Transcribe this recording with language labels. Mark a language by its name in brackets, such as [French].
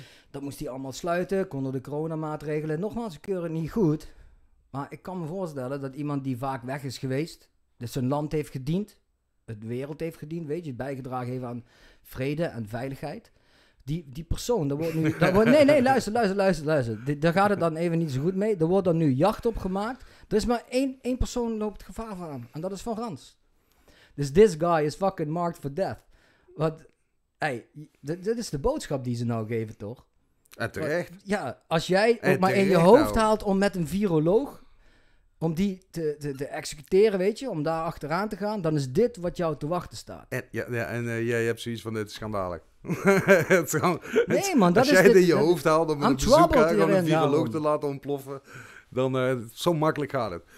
[Dutch] Dat moest hij allemaal sluiten, konden de coronamaatregelen. Nogmaals, ik keur het niet goed, maar ik kan me voorstellen dat iemand die vaak weg is geweest, dus zijn land heeft gediend, het wereld heeft gediend, weet je, bijgedragen heeft aan vrede en veiligheid, die persoon, daar wordt nu... luister. Daar gaat het dan even niet zo goed mee. Er wordt dan nu jacht op gemaakt. Er is maar één persoon loopt gevaar van hem. En dat is Van Rans. [English] Dus this guy is fucking marked for death. [Dutch] Want, dit is de boodschap die ze nou geven, toch? En terecht. Want, ja, als jij ook maar in je hoofd haalt om met een viroloog... om die te executeren, weet je, om daar achteraan te gaan... dan is dit wat jou te wachten staat. En jij hebt zoiets van, dit is schandalig. Te laten ontploffen, dan zo makkelijk gaat het.